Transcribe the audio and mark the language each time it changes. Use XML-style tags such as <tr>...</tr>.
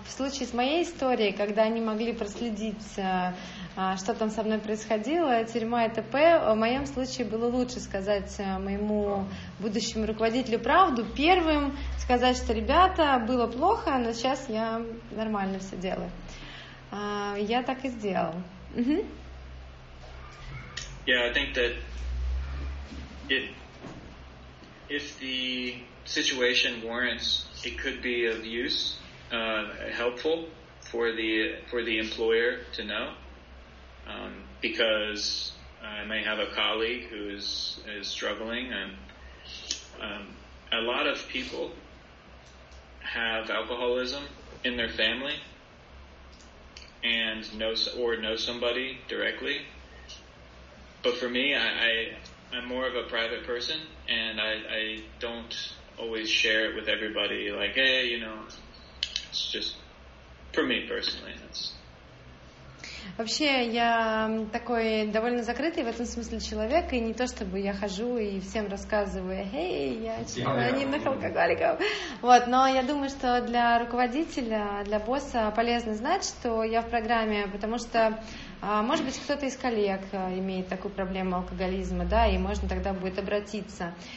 <ru>В случае с моей историей, когда они могли проследить, что там со мной происходило, тюрьма и т.п., в моем случае было лучше сказать моему будущему руководителю правду первым, сказать, что, ребята, было плохо, но сейчас я нормально все делаю. Я так и сделал. Uh-huh.</ru> <en>Yeah, I think that if the situation warrants, it could be of use, helpful for the employer to know, because I may have a colleague who is struggling, and a lot of people have alcoholism in their family, and know somebody directly. But for me, I'm more of a private person, and I don't always share it with everybody. Like, hey, you know, it's just for me personally.</en> <ru>Вообще, я такой довольно закрытый в этом смысле человек, и не то чтобы я хожу и всем рассказываю, эй, я член анонимных алкоголиков. Вот, но я думаю, что для руководителя, для босса полезно знать, что я в программе, потому что, может быть, кто-то из коллег имеет такую проблему алкоголизма, да, и можно тогда будет обратиться.</ru>